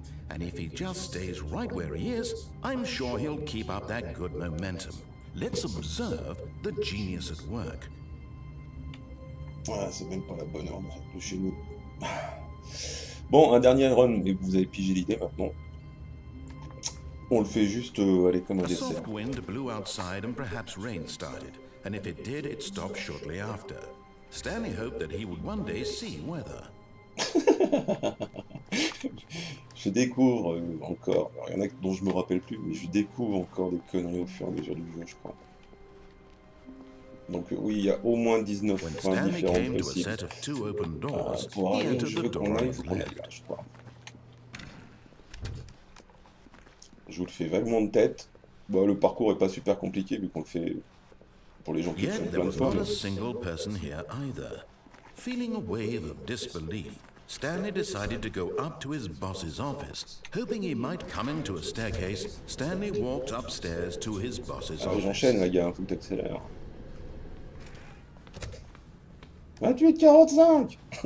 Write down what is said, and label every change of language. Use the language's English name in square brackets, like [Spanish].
[English] And if he just stays right where he is, I'm sure he'll keep up that good momentum. Let's observe the genius at work. [French] Voilà, c'est même pas la bonne heure de chez nous. Bon, un dernier run, mais vous avez pigé l'idée maintenant. On le fait juste aller comme un dessert. [English] A soft wind blew outside and perhaps rain started. And if it did, it stopped shortly after. Stanley hoped that he would one day see weather. [French] Je découvre encore. Il y en a dont je me rappelle plus, mais je découvre encore des conneries au fur et à mesure du jeu, je crois. Donc oui, il y a au moins 19 points différents possibles. Pour arriver au jeu qu'on a, il faut qu'on aille là, je crois. Je vous le fais vaguement de tête. Bah, le parcours n'est pas super compliqué, vu qu'on le fait pour les gens qui font plein de fois. Mais il n'y a pas une seule personne ici, non plus. [English] Feeling a wave of disbelief, Stanley decided to go up to his boss's office. Hoping he might come into a staircase, Stanley walked upstairs to his boss's office. [French] Ah, j'enchaîne, les gars, faut que t'accélères. 28-45.